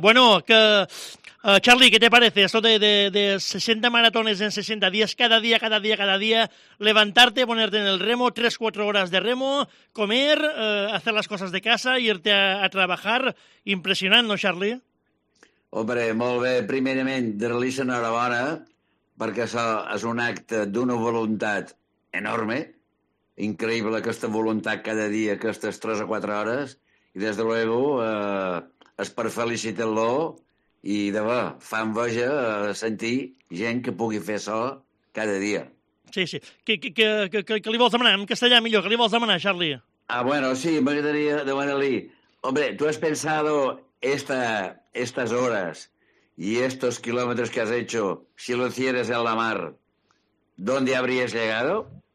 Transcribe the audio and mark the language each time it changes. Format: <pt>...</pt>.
<es>Bueno, que Charlie, ¿qué te parece esto de 60 maratones en 60 días, cada día, levantarte, ponerte en el remo, 3-4 horas de remo, comer, hacer las cosas de casa, irte a trabajar?</es> <ca>Impresionant, ¿no, Charlie? Hombre, molt bé. Primerament, dar-li-se enhorabona, perquè això és un acte d'una voluntat enorme, increïble aquesta voluntat cada dia, aquestes 3 o 4 hores, i des de luego és per felicitar-lo i demà fa enveja sentir gent que pugui fer això cada dia. Sí, sí. Què li vols demanar? En castellà millor, què li vols demanar, Charlie? Ah, bueno, sí, m'agradaria demanar-li.</ca> <es>Hombre, tu has pensado estas horas y estos kilómetros que has hecho, si lo hicieras en la mar, ¿dónde habrías llegado?</es>